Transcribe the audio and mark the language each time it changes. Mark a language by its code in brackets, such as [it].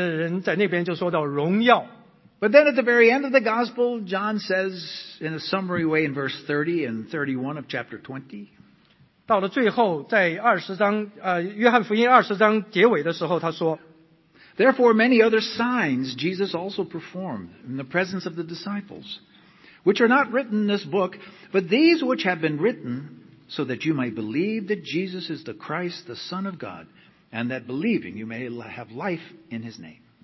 [zh] 这个管宴席的人在那边就说到荣耀。 [en] But then at the very end of the gospel, John says in a summary way in verse 30 and 31 of chapter 20. [zh] 到了最后在约翰福音二十章结尾的时候他说, [en] therefore, many other signs Jesus also performed in the presence of the disciples, which are not written in this book, but these which have been written so that you might believe that Jesus is the Christ, the Son of God, and that believing you may have life in his name.